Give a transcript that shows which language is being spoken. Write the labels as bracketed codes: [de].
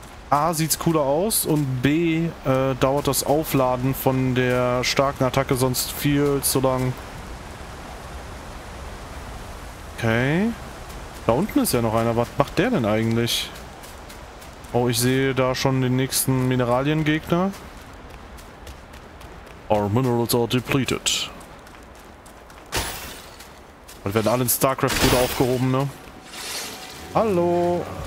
[de] A, sieht's cooler aus und B, dauert das Aufladen von der starken Attacke sonst viel zu lang. Okay. Da unten ist ja noch einer. Was macht der denn eigentlich? Oh, ich sehe da schon den nächsten Mineraliengegner. [en] Our minerals are depleted. [de] Weil werden alle in StarCraft gut aufgehoben, ne? Hallo!